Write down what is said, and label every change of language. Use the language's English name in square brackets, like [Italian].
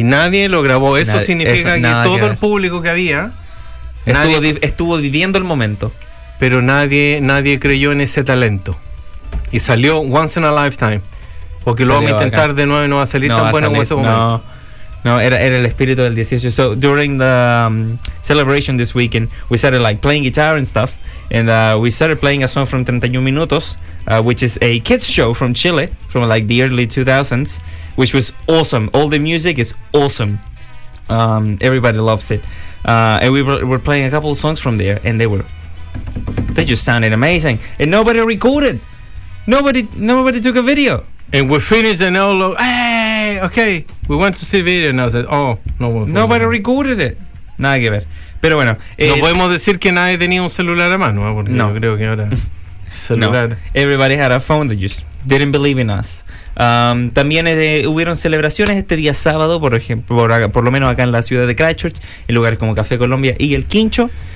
[Spanish] Y nadie lo grabó. Eso significa que todo el público que había... Estuvo viviendo el momento. Pero nadie creyó en ese talento. Y salió [English] once in a lifetime. [Spanish] Porque lo vamos a intentar de nuevo y no va a salir tan bueno como ese momento. No, era el espíritu del 18. [English] So, during the celebration this weekend, we started like playing guitar and stuff. And we started playing a song from 31 Minutos, which is a kids show from Chile, from like the early 2000s, which was awesome. All the music is awesome. Everybody loves it. And we were playing a couple of songs from there, and they just sounded amazing. And nobody recorded. Nobody took a video. And we finished, and all of, hey, okay, we went to see the video, and I said, oh, no. Nobody recorded it. [Spanish] Nada que ver. Pero bueno. No podemos decir que nadie tenía un celular a mano, porque no. Yo creo que ahora... celular. No. [English] Everybody had a phone, they just didn't believe in us. [Spanish] También hubieron celebraciones este día sábado, por ejemplo, por lo menos acá en la ciudad de Christchurch, en lugares como Café Colombia y El Quincho.